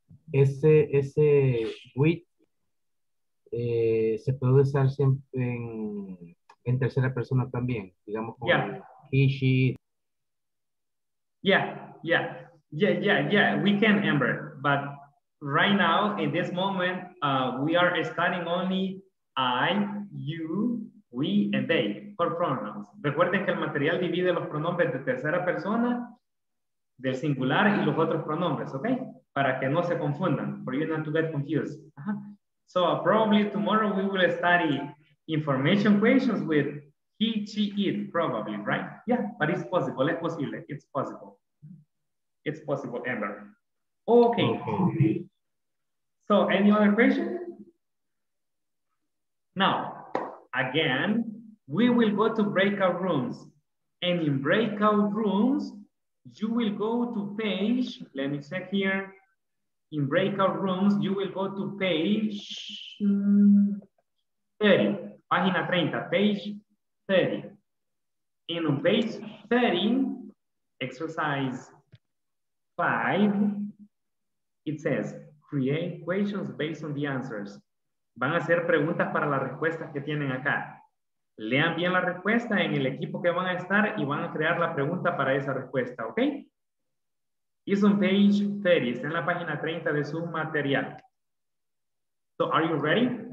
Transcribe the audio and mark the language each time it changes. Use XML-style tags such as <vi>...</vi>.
<es>Ese with se puede usar siempre en tercera persona también, digamos como</es> <en>yeah. He, she. Yeah, we can, Amber, but right now, in this moment, we are studying only I, you, we, and they for pronouns.</en> <es>Recuerden que el material divide los pronombres de tercera persona, del singular y los otros pronombres, okay? Para que no se confundan,</es> <en>for you not to get confused. Uh-huh. So probably tomorrow we will study information questions with he, she, it, probably, right? Yeah, but it's possible,</en> <es>es posible,</es> <en>it's possible. It's possible, Amber. Okay. So any other question? Now, again, we will go to breakout rooms. And in breakout rooms, you will go to page, let me check here. In breakout rooms, you will go to page 30. And on page 30, exercise 5, it says, create questions based on the answers.</en> <es>Van a hacer preguntas para las respuestas que tienen acá. Lean bien la respuesta en el equipo que van a estar y van a crear la pregunta para esa respuesta, ¿ok?</es> <en>It's on page 30,</en> <es>está en la página 30 de su material.</es> <en>So, are you ready?</en>